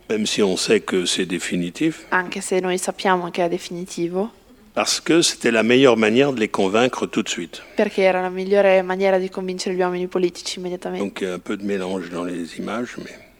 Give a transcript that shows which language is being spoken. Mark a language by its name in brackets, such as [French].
[French] Même si on sait que c'est définitif. [Italian] Anche se noi sappiamo che è definitivo. [French] Parce que c'était la meilleure manière de les convaincre tout de suite. [Italian] Perché era la migliore maniera di convincere gli uomini politici immediatamente. [French] Donc un peu de mélange dans les images, mais.